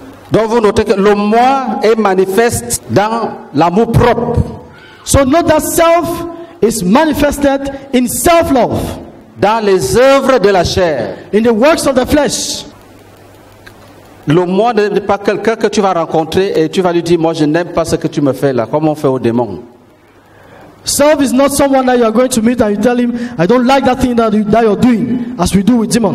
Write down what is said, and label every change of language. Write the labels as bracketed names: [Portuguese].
[French] Donc vous notez que le moi est manifeste dans l'amour propre. [English] So note that self is manifested in self-love. [French] Dans les œuvres de la chair. [English] In the works of the flesh. [French] Le moi n'est pas quelqu'un que tu vas rencontrer et tu vas lui dire, moi je n'aime pas ce que tu me fais là, comme on fait aux démons. [English] Self is not someone that you are going to meet and you tell him, I don't like that thing that you're doing, as we do with demons.